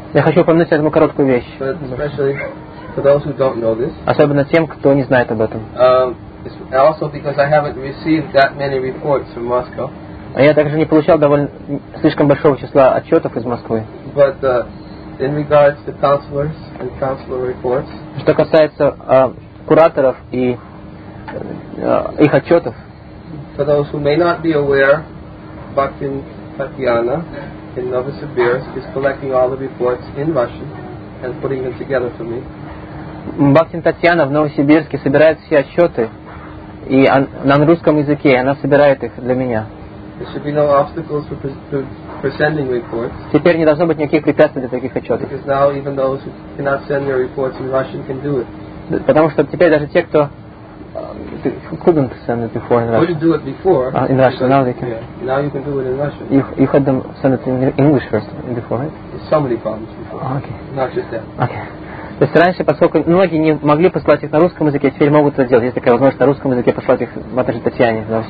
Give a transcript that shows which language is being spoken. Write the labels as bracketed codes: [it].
[ru] Я хочу упомянуть одну короткую вещь. [en] Especially for those who don't know this. [ru] Особенно тем, кто не знает об этом. [en] Also because I haven't received that many reports from Moscow. [ru] А я также не получал довольно слишком большого числа отчетов из Москвы. [en] But in regards to counselors and counselor reports. [ru] Что касается кураторов и их отчетов. [en] For those who may not be aware, Bhaktin Tatiana in Novosibirsk is collecting all the reports in Russian and putting them together for me. [ru] Bhaktin Tatiana в Новосибирске собирает все отчеты и на русском языке, и она собирает их для меня. [en] There should be no obstacles for sending reports. [ru] Теперь не должно быть никаких препятствий для таких отчетов. [en] Because now even those who cannot send their reports in Russian can do it. [ru] Потому что теперь даже те, кто [en] couldn't send it before in Russia. Couldn't do it before. In Russia, now they can. Yeah. Now you can do it in Russia. You had them send it in English first, before, right? There's so many problems before. Oh, okay. Not just that. Okay. [ru] То есть раньше, поскольку многие не могли послать их на русском языке, теперь могут это сделать. Есть такая возможность на русском языке послать их матери Татьяне.